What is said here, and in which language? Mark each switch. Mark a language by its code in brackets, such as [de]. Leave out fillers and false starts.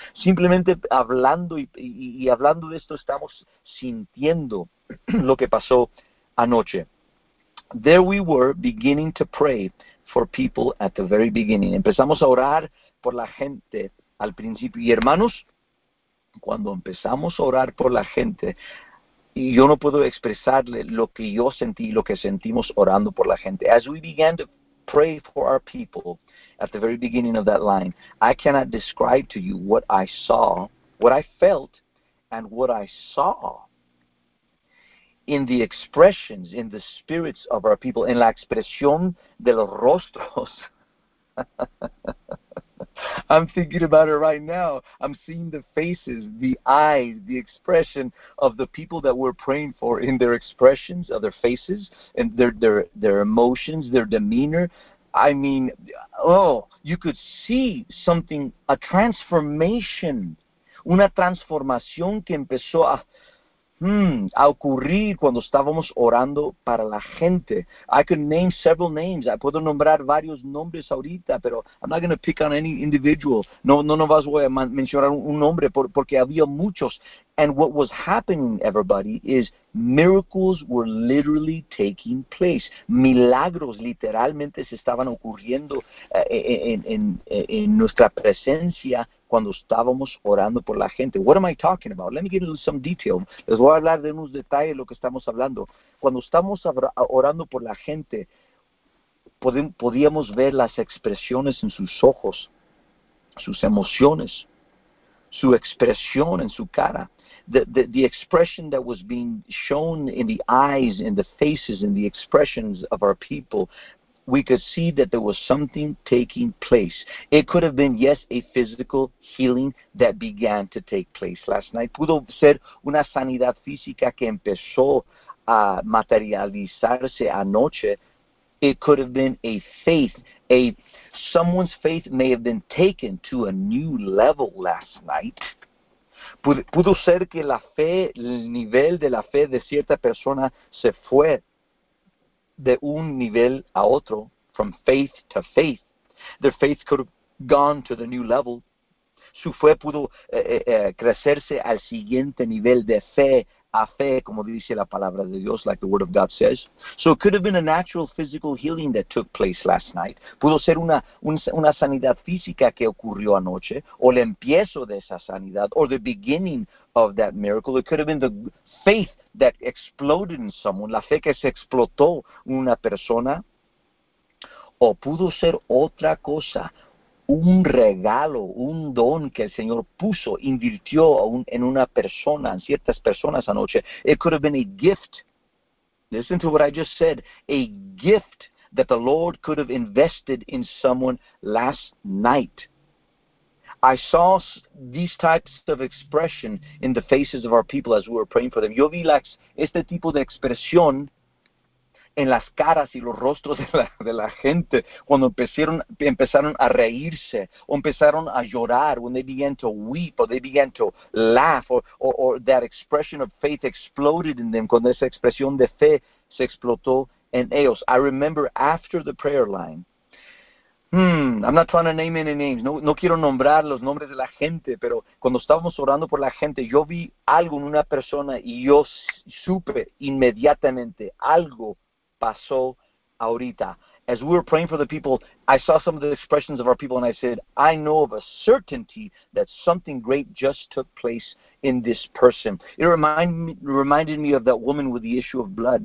[es] Simplemente hablando y hablando de esto, estamos sintiendo lo que pasó anoche. [en] There we were beginning to pray for people at the very beginning. [es] Empezamos a orar por la gente al principio. Y hermanos, cuando empezamos a orar por la gente, y yo no puedo expresarle lo que yo sentí, lo que sentimos orando por la gente. [en] As we began to pray for our people at the very beginning of that line, I cannot describe to you what I saw, what I felt, and what I saw in the expressions, in the spirits of our people, in [es] la expresión de los rostros. [en] I'm thinking about it right now. I'm seeing the faces, the eyes, the expression of the people that we're praying for in their expressions of their faces and their emotions, their demeanor. I mean, oh, you could see something, a transformation, [es] una transformación que empezó a ocurrir cuando estábamos orando para la gente. [en] I could name several names. I [es] puedo nombrar varios nombres ahorita, pero [en] I'm not going to pick on any individual. [es] No voy a mencionar un nombre porque había muchos. [en] And what was happening, everybody, is miracles were literally taking place. [es] Milagros literalmente se estaban ocurriendo en nuestra presencia cuando estábamos orando por la gente. [en] What am I talking about? Let me give you some detail. [es] Les voy a hablar de unos detalles de lo que estamos hablando. Cuando estamos orando por la gente, podíamos ver las expresiones en sus ojos, sus emociones, su expresión en su cara. [en] The expression that was being shown in the eyes, in the faces, in the expressions of our people, we could see that there was something taking place. It could have been, yes, a physical healing that began to take place last night. [es] Pudo ser una sanidad física que empezó a materializarse anoche. [en] It could have been a faith. Someone's faith may have been taken to a new level last night. [es] Pudo ser que la fe, el nivel de la fe de cierta persona se fue de un nivel a otro, [en] from faith to faith. Their faith could have gone to the new level. [es] Su fe pudo crecerse al siguiente nivel de fe a fe, como dice la palabra de Dios, [en] like the word of God says. So it could have been a natural physical healing that took place last night. [es] Pudo ser una sanidad física que ocurrió anoche, o el empiezo de esa sanidad, [en] or the beginning of that miracle. It could have been the faith that exploded in someone, [es] la fe que se explotó en una persona. O pudo ser otra cosa, un regalo, un don que el Señor puso, invirtió en una persona, en ciertas personas anoche. [en] It could have been a gift. Listen to what I just said. A gift that the Lord could have invested in someone last night. I saw these types of expression in the faces of our people as we were praying for them. [es] Yo vi este tipo de expresión en las caras y los rostros de la gente cuando empezaron a reírse o empezaron a llorar, [en] when they began to weep or they began to laugh or that expression of faith exploded in them, [es] cuando esa expresión de fe se explotó en ellos. [en] I remember after the prayer line, I'm not trying to name any names. [es] No quiero nombrar los nombres de la gente, pero cuando estábamos orando por la gente, yo vi algo en una persona y yo supe inmediatamente algo pasó ahorita. [en] As we were praying for the people, I saw some of the expressions of our people, and I said, I know of a certainty that something great just took place in this person. It reminded me of that woman with the issue of blood.